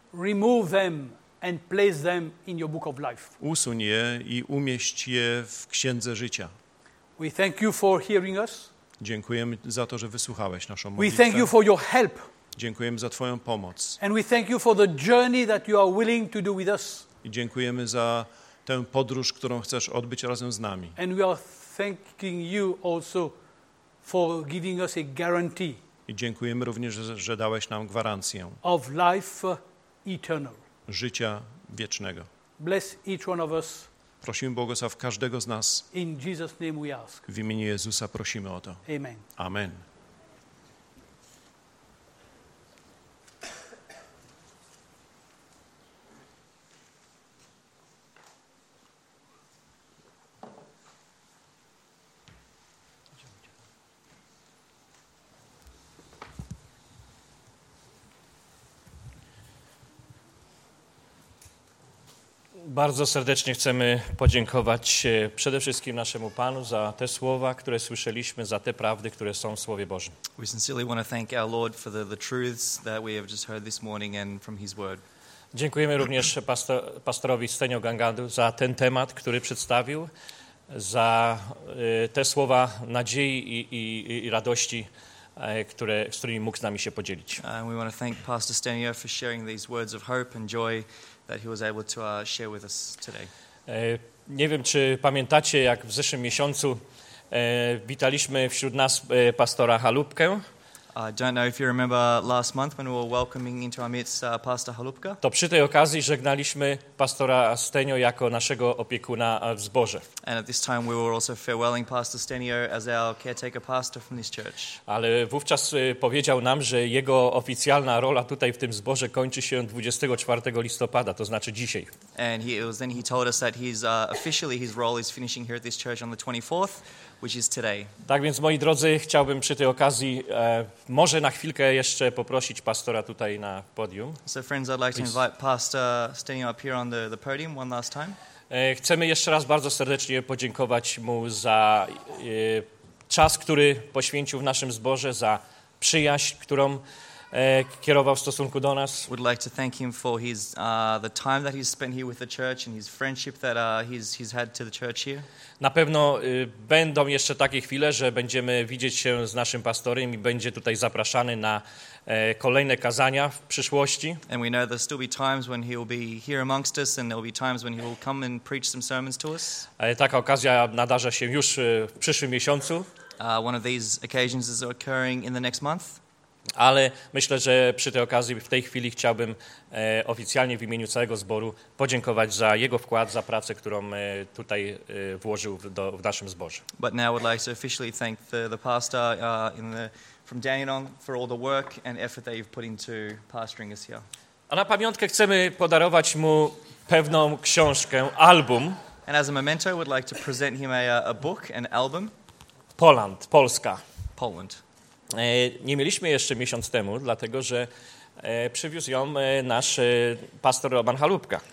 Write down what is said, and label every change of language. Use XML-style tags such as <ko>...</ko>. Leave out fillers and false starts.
<en>remove them and place them in your book of life.</en> <pl>Usuń je i umieść je w księdze życia.</pl> <en>We thank you for hearing us.</en> <pl>Dziękujemy za to, że wysłuchałeś naszą modlitwę.</pl> <en>We thank you for your help.</en> <pl>Dziękujemy za Twoją pomoc.</pl> <en>And we thank you for the journey that you are willing to do with us.</en> <pl>I dziękujemy za tę podróż, którą chcesz odbyć razem z nami.</pl> <en>And we are thanking you also for giving us a guarantee.</en> <pl>I dziękujemy również, że dałeś nam gwarancję.</pl> <en>Of life eternal.</en> <pl>Życia wiecznego.</pl> <en>Bless each one of us.</en> <pl>Prosimy Boga w każdego z nas.</pl> <en>In Jesus name we ask.</en> <pl>W imieniu Jezusa prosimy o to.</pl> <en>Amen.</en> <pl>Amen. Bardzo serdecznie chcemy podziękować przede wszystkim naszemu Panu za te słowa, które słyszeliśmy, za te prawdy, które są w Słowie Bożym.</pl> <en>We sincerely want to thank our Lord for the truths that we have just heard this morning and from His Word.</en> <pl>Dziękujemy również pastorowi Stenio Gangadu za ten temat, który przedstawił, za te słowa nadziei i radości, z którymi mógł z nami się podzielić.</pl> <en>We want to thank Pastor Stenio for sharing these words of hope and joy that he was able to share with us today.</en> <pl>Nie wiem, czy pamiętacie, jak w zeszłym miesiącu witaliśmy wśród nas pastora Chalupkę.</pl> <en>I don't know if you remember last month when we were welcoming into our midst Pastor Chalupka.</en> <pl>To przy tej okazji żegnaliśmy pastora Stenio jako naszego opiekuna w zborze.</pl> <en>And at this time we were also farewelling Pastor Stenio as our caretaker pastor from this church.</en> <pl>Ale wówczas powiedział nam, że jego oficjalna rola tutaj w tym zborze kończy się 24 listopada, to znaczy dzisiaj.</pl> <en>And he told us that his officially his role is finishing here at this church on the 24th. Which is today.</en> <pl>Tak więc, moi drodzy, chciałbym przy tej okazji może na chwilkę jeszcze poprosić pastora tutaj na podium.</pl> <en>So friends, I'd like to invite Pastor Stenio up here on the podium one last time.</en> <pl>Chcemy jeszcze raz bardzo serdecznie podziękować mu za czas, który poświęcił w naszym zborze, za przyjaźń, którą kierował w stosunku do nas.</pl> <en>We'd like to thank him for his the time that he's spent here with the church and his friendship that he's had to the church here.</en> <pl>Na pewno będą jeszcze takie chwile, że będziemy widzieć się z naszym pastorem i będzie tutaj zapraszany na kolejne kazania w przyszłości.</pl> <en>And we know there'll still be times when he'll be here amongst us and there'll be times when he'll come and preach some sermons to us.</en> <pl>Taka okazja nadarza się już w przyszłym miesiącu.</pl> <en>One of these occasions is occurring in the next month.</en> <pl>Ale myślę, że przy tej okazji w tej chwili chciałbym oficjalnie w imieniu całego zboru podziękować za jego wkład, za pracę, którą tutaj włożył w naszym zborze.</pl> <en>But now I'd like to officially thank the pastor from Dandenong for all the work and effort that you've put into pastoring us here.</en> <pl>A na pamiątkę chcemy podarować mu pewną książkę, album.</pl> <en>And as a memento, we'd like to present him a book, an album.</en> <pl>Poland, Polska.</pl> <en>Poland.</en> <pl>Nie mieliśmy jeszcze miesiąc temu, dlatego że przywiózł ją nasz pastor Roman Chalupka.</pl>